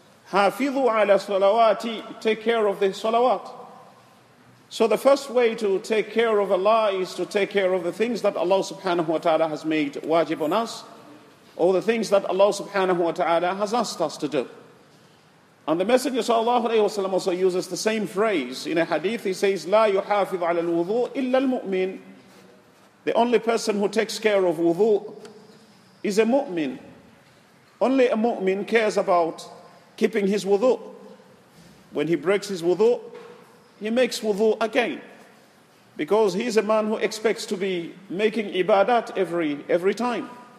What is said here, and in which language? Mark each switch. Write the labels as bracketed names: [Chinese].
[Arabic] Hafizu ala salawati, [English] take care of the salawat. So the first way to take care of Allah is to take care of the things that Allah subhanahu wa ta'ala has made wajib on us, or the things that Allah subhanahu wa ta'ala has asked us to do. And the Messenger sallallahu alayhi wa sallam also uses the same phrase in a hadith. [Arabic] He says, لا يحافظ على الوضوء إلا المؤمن. [English] The only person who takes care of wudu is a mu'min. Only a mu'min cares about keeping his wudu. When he breaks his wudu, he makes wudu again. Because he is a man who expects to be making ibadat every time.